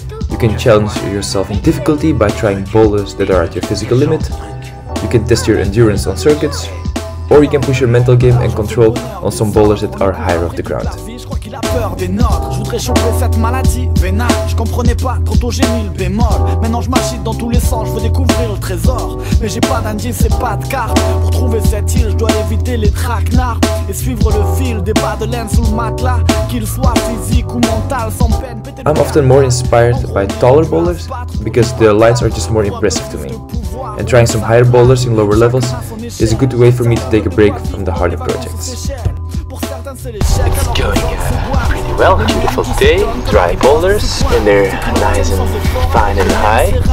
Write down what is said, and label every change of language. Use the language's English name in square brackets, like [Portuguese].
[English] You can challenge yourself in difficulty by trying boulders that are at your physical limit. You can test your endurance on circuits. Or you can push your mental game and control on some boulders that are higher off the ground. [French] Je voudrais changer cette maladie vénale. Je comprenais pas trop tôt, j'ai mis le bémol. Maintenant je m'agite dans tous les sens, je veux découvrir le trésor. Mais j'ai pas d'indice et pas de carte. Pour trouver cette île, je dois éviter les traquenards et suivre le fil des bas de laine sous le matelas. Qu'il soit physique ou mental, sans peine. [English] I'm often more inspired by taller boulders because their lines are just more impressive to me. And trying some higher boulders in lower levels is a good way for me to take a break from the harder projects. It's going pretty well, beautiful day, dry boulders, and they're nice and fine and high.